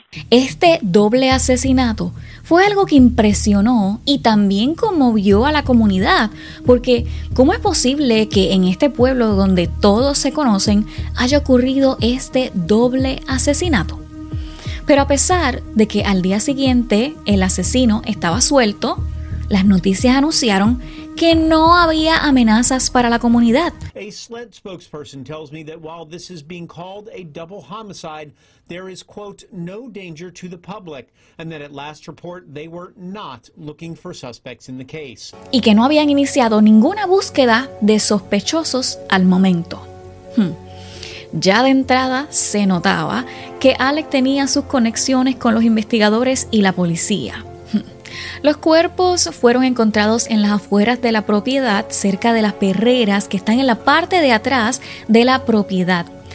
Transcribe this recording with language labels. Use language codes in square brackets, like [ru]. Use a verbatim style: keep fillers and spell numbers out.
[es] Este doble asesinato fue algo que impresionó y también conmovió a la comunidad, porque ¿cómo es posible que en este pueblo donde todos se conocen haya ocurrido este doble asesinato? Pero a pesar de que al día siguiente el asesino estaba suelto, las noticias anunciaron que no había amenazas para la comunidad. [en] A SLED spokesperson tells me that while this is being called a double homicide, there is, quote, no danger to the public, and that at last report they were not looking for suspects in the case. [es] Y que no habían iniciado ninguna búsqueda de sospechosos al momento. Hmm. Ya de entrada se notaba que Alec tenía sus conexiones con los investigadores y la policía. Los cuerpos fueron encontrados en las afueras de la propiedad, cerca de las perreras que están en la parte de atrás de la propiedad.